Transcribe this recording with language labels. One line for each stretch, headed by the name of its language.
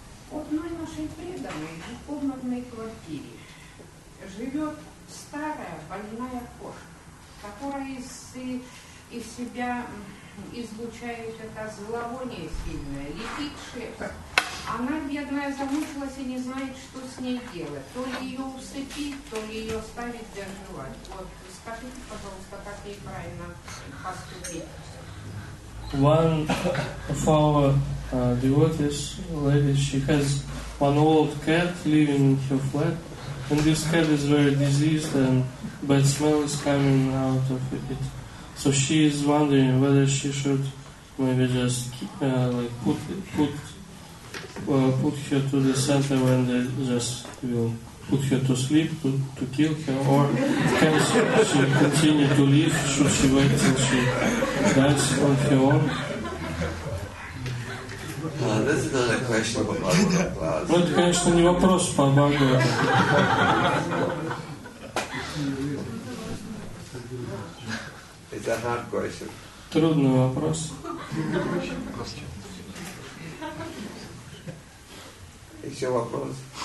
Russian: Вот мой нашей преданной в комнатной квартире живет старая больная кошка, которая из себя излучает это зловоние сильное, летит шерсть. Она, бедная, замучилась и не знает, что с ней делать. То ли ее усыпить, то ли ее оставить доживать. Вот скажите, пожалуйста, как ей правильно поступить?
English: One flower. Devotees, lady, she has one old cat living in her flat, and this cat is very diseased and bad smell is coming out of it. So she is wondering whether she should maybe just put her to the center when they just will put her to sleep to kill her, or can she continue to live? Should she wait till she dies on her own? This is not a question about Bhagavata class.
Russian: Ну, это, конечно, не вопрос по Бхагавате.
English: It's a hard question.
Russian: Трудный вопрос. Еще вопрос.